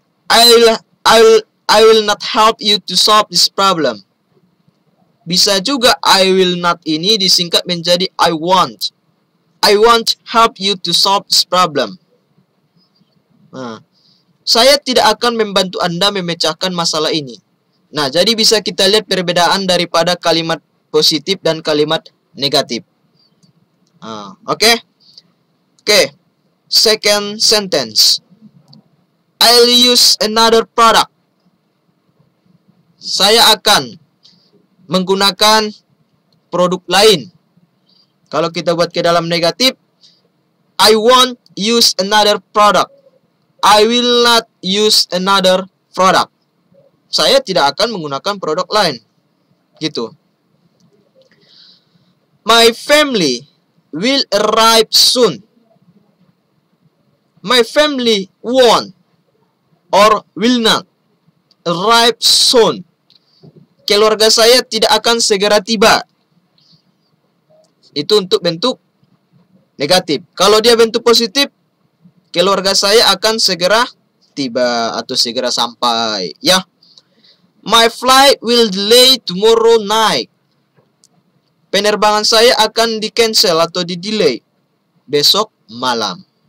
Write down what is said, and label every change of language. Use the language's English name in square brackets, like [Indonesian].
[English] I will not help you to solve this problem. [Indonesian] Bisa juga [English] I will not [Indonesian] ini disingkat menjadi [English] I won't. I won't help you to solve this problem. [Indonesian] Saya tidak akan membantu Anda memecahkan masalah ini. Nah, jadi bisa kita lihat perbedaan daripada kalimat positif dan kalimat negatif. Oke? Oke. [English] Second sentence. I'll use another product. [Indonesian] Saya akan menggunakan produk lain. Kalau kita buat ke dalam negatif, [English] I won't use another product. I will not use another product. [Indonesian] Saya tidak akan menggunakan produk lain. Gitu. [English] My family will arrive soon. My family won't or will not arrive soon. [Indonesian] Keluarga saya tidak akan segera tiba. Itu untuk bentuk negatif. Kalau dia bentuk positif, keluarga saya akan segera tiba atau segera sampai. Ya. [English] My flight will delay tomorrow night. [Indonesian] Penerbangan saya akan di-cancel atau di-delay besok malam.